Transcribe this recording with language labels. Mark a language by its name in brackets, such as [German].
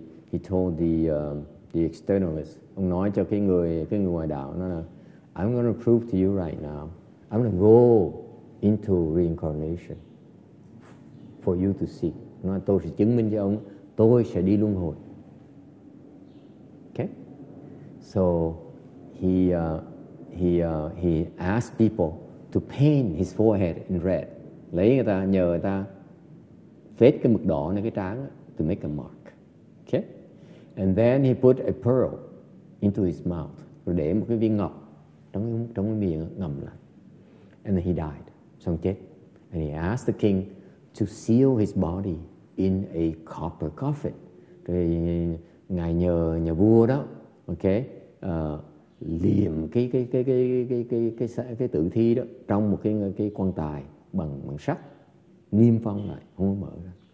[English] He told the externalist. [Vietnamese] Ông nói cho cái người ngoại đạo nó là [English] I'm going to prove to you right now. I'm going to go into reincarnation for you to see. [Vietnamese] Nói tôi sẽ chứng minh cho ông, tôi sẽ đi luân hồi. Okay? [English] So he asked people to paint his forehead in red. [Vietnamese] Lấy người ta, nhờ người ta phết cái mực đỏ lên cái trán [English] to make a mark. Okay? And then he put a pearl into his mouth. [Vietnamese] Rồi để một cái viên ngọc trong cái miệng ngậm lại. [English] And then he died. [Vietnamese] Xong chết. [English] And he asked the king to seal his body in a copper coffin. [Vietnamese] Rồi ngài nhờ nhà vua đó, okay, liệm cái tử thi đó trong một cái quan tài bằng sắt, niêm phong lại, không có mở ra.